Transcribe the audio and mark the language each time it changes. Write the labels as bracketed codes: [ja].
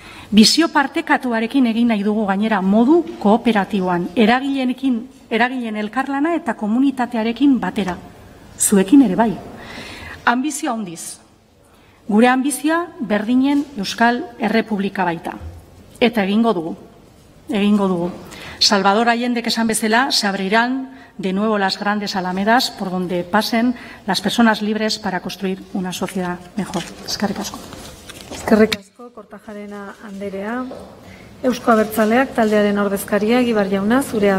[eu] Bizio partekatuarekin egin nahi dugu gainera modu kooperatiboan, eragileen elkarlana eta komunitatearekin batera. Zuekin ere bai. Ambizioa handiz. Gure ambizioa berdinen Euskal Errepublika baita. Eta egingo dugu. Egingo dugu. [es] Salvador Allende esan bezala, se abrirán de nuevo las grandes alamedas por donde pasen las personas libres para construir una sociedad mejor. [eu] Eskerrik asko. Eskerrik asko, Kortajarena Anderea. Eusko Abertzaleak taldearen ordezkaria, Egibar jauna, zurea da.